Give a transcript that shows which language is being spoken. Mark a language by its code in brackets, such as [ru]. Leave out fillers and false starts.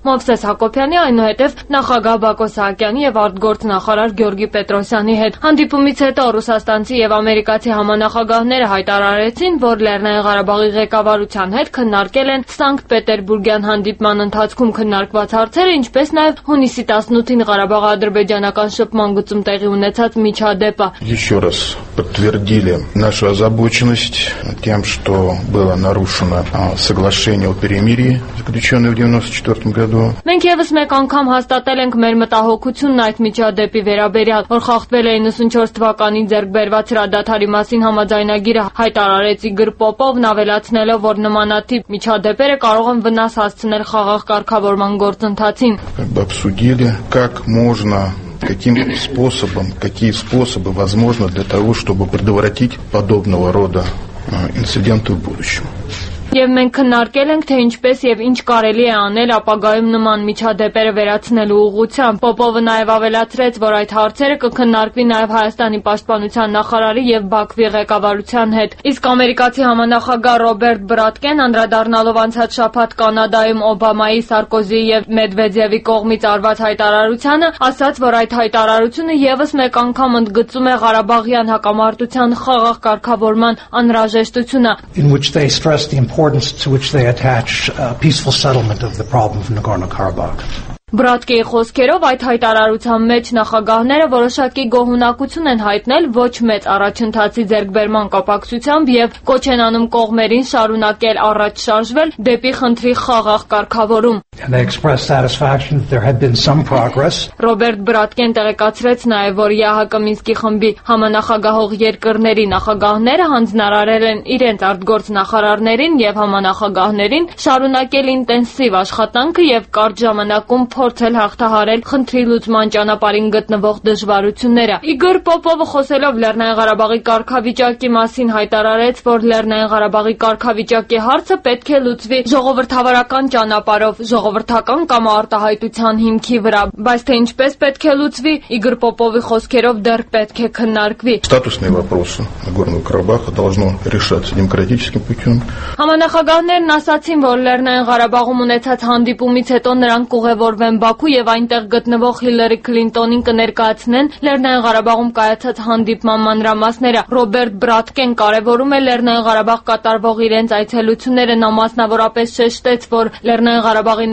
[hy] Մովսես Հակոբյանի, այնուհետև նախագահ Բակո Սահակյանի և արտգործ նախարար Գյորգի Պետրոսյանի հետ։ Հանդիպումից հետո ռուսաստանցի և ամերիկացի համանախագահները հայտարարեցին, որ Լեռնային Ղարաբաղի ղեկավարության հետ քննարկել են Սանկտ Պետերբուրգյան հանդիպման ընթացքում քննարկված հարցերը, ինչպես նաև հունիսի 18-ին Ղարաբաղ-ադրբեջանական շփման գծում տեղի ունեցած միջադեպը։ [ru] Раз подтвердили нашу озабоченность тем, что было нарушено соглашение о перемирии, заключенное в 1994 году. [hy] Մենքևս մեկ անգամ հաստատել ենք մեր մտահոգությունն այդ միջադեպի վերաբերյալ, որ խախտվել է 94 թվականին ձեռք բերված հրադադարի մասին համաձայնագիրը, հայտարարեց Իգոր Պոպովն, ավելացնելով, որ նմանատիպ միջադեպերը կարող են վնաս հասցնել խաղաղ կարգավորման գործընթացին։ [ru] Обсудили, как можно, какие способы возможны для того, чтобы предотвратить подобного рода инциденты в будущем. [hy] Եվ մենք քննարկել ենք, թե ինչպես եւ ինչ կարելի է անել ապագայում նման միջադեպերը վերացնելու ուղղությամբ։ Պոպովը նաեւ ավելացրեց, որ այդ հարցերը կքննարկվի նաեւ Հայաստանի պաշտպանության նախարարի եւ Բաքվի ղեկավարության հետ։ Իսկ ամերիկացի համանախագահ Ռոբերտ Բրատկեն, անդրադառնալով անցած շաբաթ Կանադայում Օբամայի, Սարկոզի եւ Մեդվեդևի կողմից արված հայտարարությանը, ասաց, որ այդ հայտարարությունը եւս մեկ անգամ ընդգծում է Ղարաբաղյան հակամարտության խաղաղ կարգավորման անհրաժեշտությունը։ [en] Importance to which they attach peaceful settlement of the problem of Nagorno-Karabakh. [hy] Բրատկեի խոսքերով այդ հայտարարության մեջ նախագահները որոշակի գոհունակություն են հայտնել ոչ մեծ առաջընթացի ձեռքբերման կապակցությամբ և կոչ են անում կողմերին շարունակել առաջ շարժվել դեպի խնդրի խաղաղ կարգավորում։ Ռոբերտ Բրատկեն տեղեկացրեց նաև, որ ՀՀԿ Մինսկի խմբի համանախագահող երկրների նախագահները հանձնարարել են իրենց արտգործ նախարարներին և համանախագահներին շարունակել ինտենսիվ աշխատանքը և կարճ ժամանակում փորձել հաղթահարել խնդրի լուծման ճանապարհին գտնվող դժվարությունները։ Իգոր Պոպովը, խոսելով Լեռնային Ղարաբաղի կարգավիճակի մասին, հայտարարեց, որ Լեռնային Ղարաբաղի կարգավիճակի հարցը պետք է լուծվի ժողովրդավարական ճանապարհով, ժողովրդական կամ արտահայտության հիմքի վրա, բայց թե ինչպես պետք է լուծվի, Իգոր Պոպովի խոսքերով, դեռ պետք է քննարկվի։ [ru] Ստատուսные вопросы Нагорного Карабаха должно решаться демократическим путём. [hy] Համանախագահներն ասացին, որ Լեռնային Ղարաբաղում ունեցած հանդիպումից հետո նրանք ուղևորվեն Բաքու և այնտեղ գտնվող Հիլարի Քլինտոնին կներկայացնեն Լեռնային Ղարաբաղում կայացած հանդիպման մանրամասները։ Ռոբերտ Բրատկեն կարևորում է Լեռնային Ղարաբաղ կատարվող իրենց այցելությունները, նա մասնավորապես շեշտեց, որ Լեռնային Ղարաբաղի